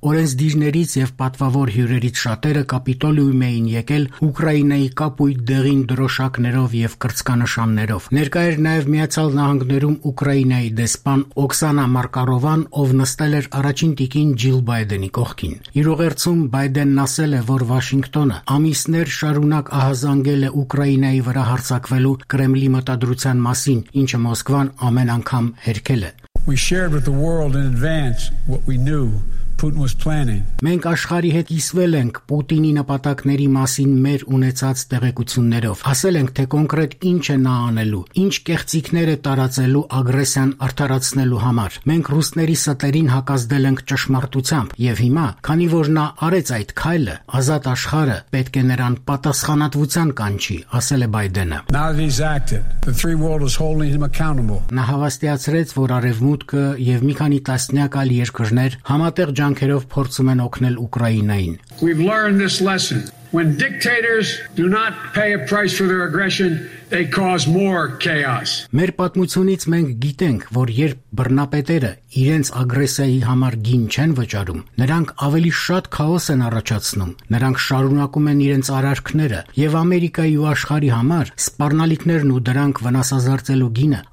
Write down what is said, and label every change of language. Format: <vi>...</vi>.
<hy>Օրենսդիրներից եւ պատվավոր հյուրերից շատերը Կապիտոլիում էին եկել Ուկրաինայի կապույտ դեղին դրոշակներով եւ կրծքանշաններով։ Ներկա էր նաև Միացյալ Նահանգներում Ուկրաինայի դեսպան Օքսանա Մարկարովան, ով նստել էր առաջին տիկին Ջիլ Բայդենի կողքին։ Իր ուղերձում Բայդենն ասել է, որ Վաշինգտոնը ամիսներ շարունակ ահազանգել է Ուկրաինայի վրա հարձակվելու Կրեմլի մտադրության մասին, ինչը Մոսկվան ամեն անգամ հերքել է։</hy> <en>We shared with the world in advance what we knew Putin was planning.</en> <hy>Մենք աշխարհի հետ իսվել ենք Պուտինի նպատակների մասին մեր ունեցած տեղեկություններով։ Ասել ենք, թե կոնկրետ ինչ է նա անելու, ինչ կեղծիքներ է տարածելու ագրեսիան արդարացնելու համար։ Մենք ռուսների սատերին հակազդել ենք ճշմարտությամբ, եւ հիմա, քանի որ նա արեց այդ քայլը, ազատ աշխարհը պետք է նրան պատասխանատվության կանչի, ասել է Բայդենը։</hy> <en>The three world is holding him accountable.</en> <hy>Նա հավաստիացրեց, որ արևմուտքը եւ մի քանի տասնյակ այլ երկրներ համատեղ ջանքերով փորձում են օգնել Ուկրաինային։</hy> <en>We've learned this lesson. When dictators do not pay a price for their aggression, they cause more chaos.</en> <hy>Մեր պատմությունից մենք գիտենք, որ երբ բռնապետերը իրենց ագրեսիայի համար գին չեն վճարում, նրանք ավելի շատ քաոս են առաջացնում։ Նրանք շարունակում են իրենց արարքները, եւ Ամերիկայի ու աշխարհի համար սպառնալիքներն ու դրանք վնասազարծելու գինը</hy>